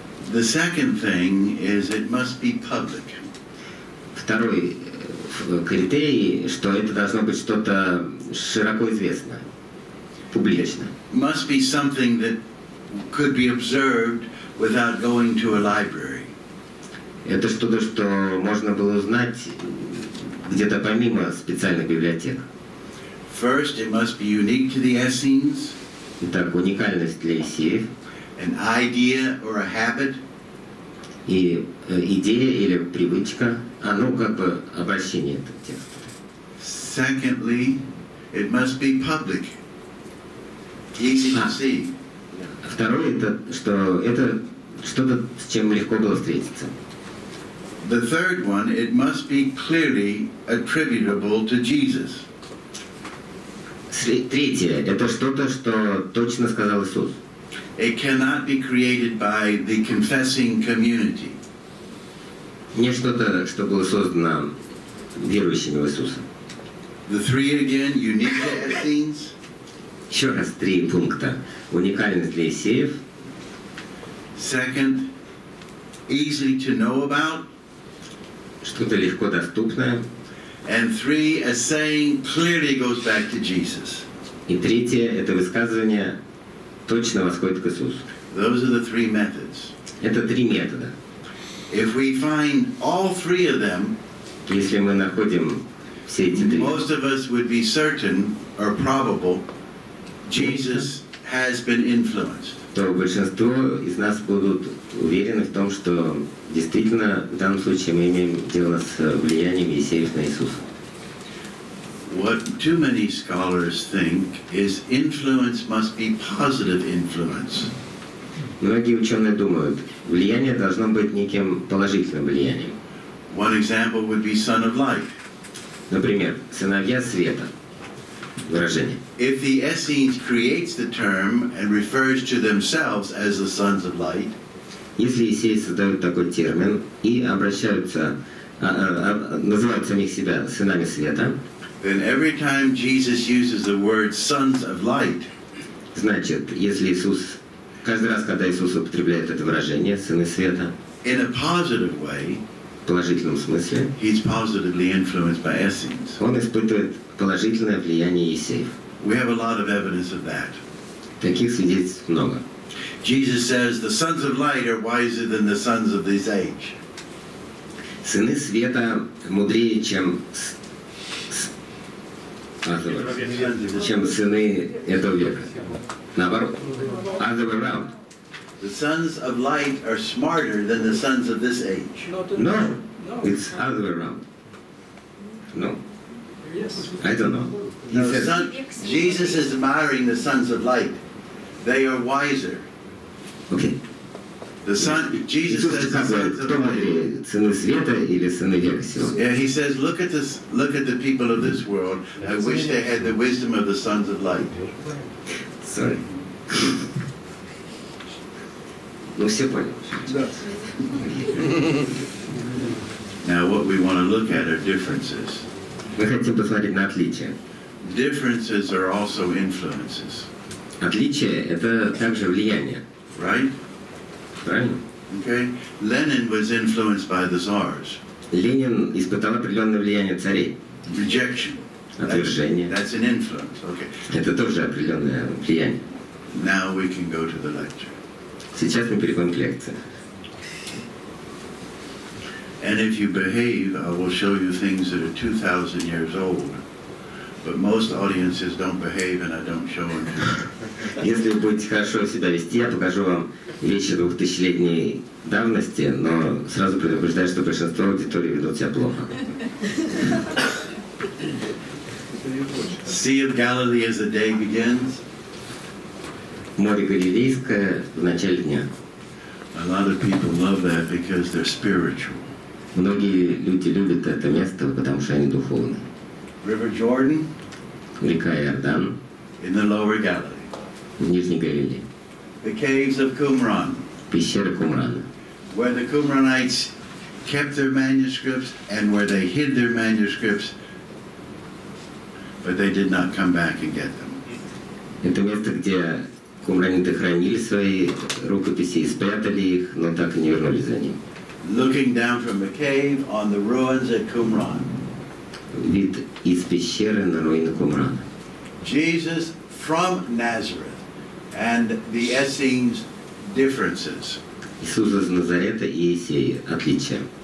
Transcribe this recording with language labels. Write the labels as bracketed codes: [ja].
[en] The second thing is it must be public. [ru] Второй критерий, что это должно быть что-то широко известное, публично. [en] Must be something that could be observed without going to a library. [ru] Это что-то, что можно было узнать где-то помимо специальных библиотек. [en] First, it must be unique to the Essenes. [ru] Итак, уникальность для Эссеев. [en] An idea or a habit. [ru] И идея или привычка, оно как бы обращение этого текста. [en] Secondly, it must be public. Easy to see. [ru] Второе, это, что это что-то, с чем легко было встретиться. [en] The third one, it must be clearly attributable to Jesus. [ru] Третье, это что-то, что точно сказал Иисус. [en] It cannot be created by the confessing community. [ru] Не что-то, что было создано верующими в Иисуса. [en] The three again, unique to Essenes. [ru] Еще раз три пункта. Уникальность для эссеев. [en] Second, easy to know about. [ru] Что-то легко доступное. [en] And three, a saying clearly goes back to Jesus. [ru] И третье, это высказывание точно восходит к Иисусу. [en] Those are the three methods. [ru] Это три метода. [en] If we find all three of them, [ru] если мы находим все эти три, [en] most of us would be certain or probable Jesus has been influenced. [ru] То большинство из нас будут уверены в том, что действительно в данном случае мы имеем дело с влиянием Иисеев на Иисуса. [en] What too many scholars think is influence must be positive influence. [ru] Многие ученые думают, влияние должно быть неким положительным влиянием. [en] One example would be son of light. [ru] Например, сыновья света. Выражение. [en] If the Essenes creates the term and refers to themselves as the sons of light, [ru] если эссеи создают такой термин и обращаются, называют самих себя сынами света, [en] then every time Jesus uses the word sons of light, [ru] значит, если Иисус, каждый раз, когда Иисус употребляет это выражение, сыны света, [en] in a positive way, [ru] в положительном смысле, [en] he's positively influenced by Essenes. [ru] Он испытывает положительное влияние эссеев. [en] We have a lot of evidence of that. [ru] Таких свидетельств много. [en] Jesus says the sons of light are wiser than the sons of this age. [ru] Сыны света мудрее, чем сыны этого века. Наоборот, [en] other way around. The sons of light are smarter than the sons of this age. No, it's other way around. No. I don't know. He says, Jesus is admiring the sons of light. They are wiser. Okay. The son, Jesus says, [ru] "Сыны света или сыны века сего?" [en] Yeah, he says, look at the people of this world. I wish they had the wisdom of the sons of light. Sorry. [ru] Ну все понял. [en] Now what we want to look at are differences. [ru] Мы хотим посмотреть на отличия. [en] Differences are also influences. [ru] Отличия — это также влияние. [en] Right? [ru] Правильно. [en] Okay. Lenin was influenced by the Tsars. [ru] Ленин испытал определенное влияние царей. [en] Rejection. [ru] Отвержение. [en] That's an influence. Okay. [ru] Это тоже определенное влияние. [en] Now we can go to the lecture. [ru] Сейчас мы переходим к лекции. [en] And if you behave, I will show you things that are 2,000 years old. But most audiences don't behave, and I don't show them. [ru] Если вы будете хорошо себя вести, я покажу вам вещи 2000-летней давности, но сразу предупреждаю, что большинство аудитории ведут себя плохо. [en] Sea of Galilee as the day begins. [ru] Море Галилейское в начале дня. [en] A lot of people love that because they're spiritual. [ru] Многие люди любят это место, потому что они духовны. [en] River Jordan, [ru] река Иордан, [en] in the lower Galilee, [ru] в Нижней Галилее. [en] The caves of Qumran, [ru] пещеры Кумрана, [en] where the Qumranites kept their manuscripts and where they hid their manuscripts, but they did not come back and get them. [ru] Это место, где кумраниты хранили свои рукописи и спрятали их, но так и не вернулись за ним. [en] Looking down from the cave on the ruins at Qumran. [ru] Вид из пещеры на руины Кумрана. [en] Jesus from Nazareth and the Essenes differences. [ru] Иисус из Назарета и эссеи отличия.